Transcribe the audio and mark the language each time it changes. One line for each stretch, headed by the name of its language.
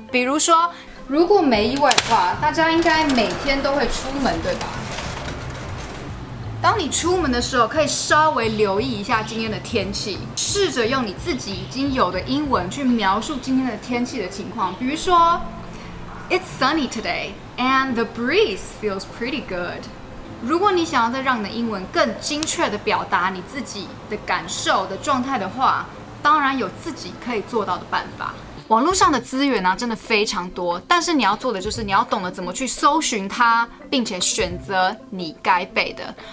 Chinese: 比如说，如果没意外的话，大家应该每天都会出门，对吧？当你出门的时候，可以稍微留意一下今天的天气，试着用你自己已经有的英文去描述今天的天气的情况，比如说。
English: It's sunny today, and the breeze feels pretty good.
Chinese: 如果你想要再让你的英文更精确地表达你自己的感受的状态的话，当然有自己可以做到的办法。网络上的资源啊，真的非常多，但是你要做的就是你要懂得怎么去搜寻它，并且选择你该背的。